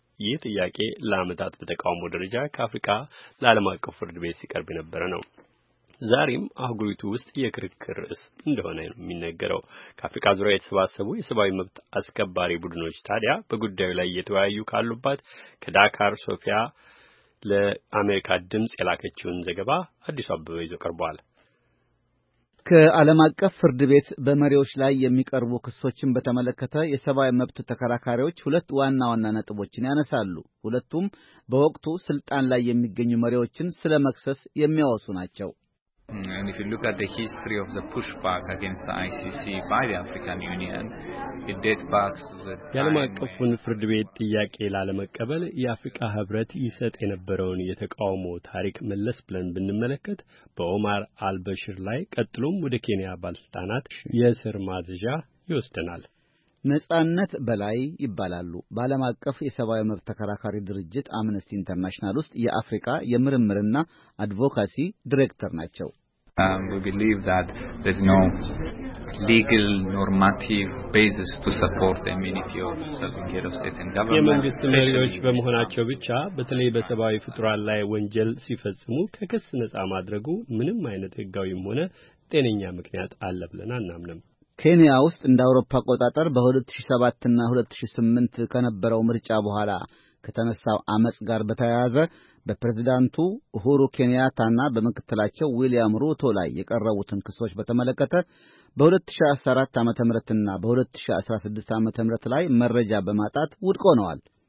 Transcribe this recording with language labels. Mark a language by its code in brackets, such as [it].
[am] ይህ ጥያቄ ለዓመታት በተቃውሞ ደረጃ ከአፍሪካ ለዓለም አቀፍ ፍርድ ቤት ሲቀርብ የነበረ ነው። ዛሬም አህጉሪቱ ውስጥ የክርክር ርዕስ እንደሆነ ነው የሚነገረው። ከአፍሪካ ዙሪያ የተሰባሰቡ የሰብአዊ መብት አስከባሪ ቡድኖች ታዲያ በጉዳዩ ላይ እየተወያዩ ካሉባት ከዳካር ሶፊያ ለአሜሪካ ድምጽ የላከችውን ዘገባ አዲሱ አበበ ይዞ ቀርቧል። ከዓለም አቀፍ ፍርድ ቤት በመሪዎች ላይ የሚቀርቡ ክሶችን በተመለከተ የሰብአዊ መብት ተከራካሪዎች ሁለት ዋና ዋና ነጥቦችን ያነሳሉ። ሁለቱም በወቅቱ ስልጣን ላይ የሚገኙ መሪዎችን ስለ መክሰስ የሚያወሱ ናቸው። [en] And if you look at the history of the pushback against the ICC by the African Union, it dates back to the time... [am] የዓለም አቀፉን ፍርድ ቤት ጥያቄ ላለመቀበል የአፍሪካ ህብረት ይሰጥ የነበረውን የተቃውሞ ታሪክ መለስ ብለን ብንመለከት በኦማር አልበሽር ላይ ቀጥሎም ወደ ኬንያ ባለስልጣናት የእስር ማዘዣ ይወስደናል። ነጻነት በላይ ይባላሉ። በዓለም አቀፍ የሰብአዊ መብት ተከራካሪ ድርጅት አምነስቲ ኢንተርናሽናል ውስጥ የአፍሪካ የምርምርና አድቮካሲ ዲሬክተር ናቸው። [en] We believe that there's no legal normative basis to support the immunity of Sergeiro State and government. [am] የመንግስት መሪዎች በመሆናቸው ብቻ በተለይ በሰብአዊ ፍጥሯን ላይ ወንጀል ሲፈጽሙ ከክስ ነጻ ማድረጉ ምንም አይነት ህጋዊም ሆነ ጤነኛ ምክንያት አለ ብለን አናምንም። ኬንያ ውስጥ እንደ አውሮፓ አቆጣጠር በ2007 እና 2008 ከነበረው ምርጫ በኋላ ከተነሳው አመጽ ጋር በተያያዘ በፕሬዝዳንቱ ሁሩ ኬንያታና በመከተላቸው ዊሊያም ሩቶ ላይ የቀረቡትን ክሶች በተመለከተ በ2014 ዓመተ ምህረትና በ2016 ዓመተ ምህረት ላይ መረጃ በማጣት ውድቅ ሆነዋል።